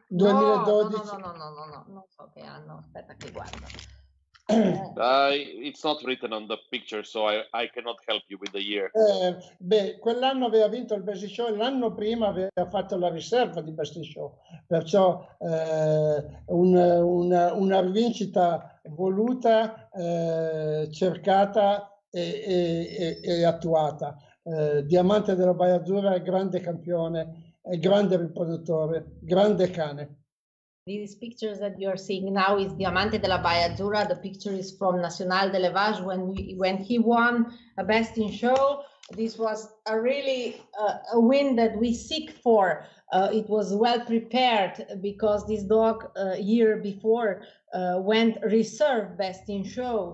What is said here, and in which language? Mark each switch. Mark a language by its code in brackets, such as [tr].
[it] No, non so che anno, aspetta che guardo. [en] It's not written on the picture, so I cannot help you with the year. [it] Quell'anno aveva vinto il Best in Show, l'anno prima aveva fatto la riserva di Best in Show, perciò una vincita voluta, cercata e attuata. Diamante della Baia Azzurra, grande campione, grande riproduttore, grande cane. [en] These pictures that you're seeing now is Diamante della Baia Azzurra. The picture is from Nacional de Levage when he won a Best in Show. This was a really a win that we seek for. It was well prepared because this dog year before went reserve Best in Show.